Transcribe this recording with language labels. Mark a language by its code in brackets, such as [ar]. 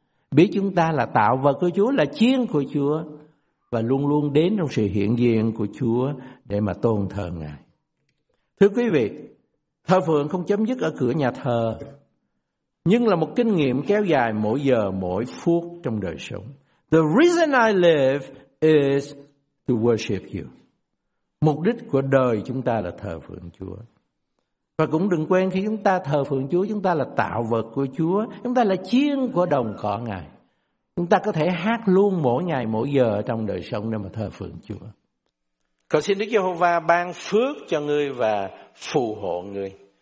[vi] Biết chúng ta là tạo vật của Chúa, là chiên của Chúa, và luôn luôn đến trong sự hiện diện của Chúa để mà tôn thờ Ngài. Thưa quý vị, thờ phượng không chấm dứt ở cửa nhà thờ, nhưng là một kinh nghiệm kéo dài mỗi giờ, mỗi phút trong đời sống. [en] The reason I live is to worship you. [vi] Mục đích của đời chúng ta là thờ phượng Chúa. Và cũng đừng quên, khi chúng ta thờ phượng Chúa, chúng ta là tạo vật của Chúa, chúng ta là chiên của đồng cỏ Ngài. Chúng ta có thể hát luôn mỗi ngày mỗi giờ trong đời sống để mà thờ phượng Chúa. Cầu xin Đức Giê-hô-va ban phước cho ngươi và phù hộ ngươi.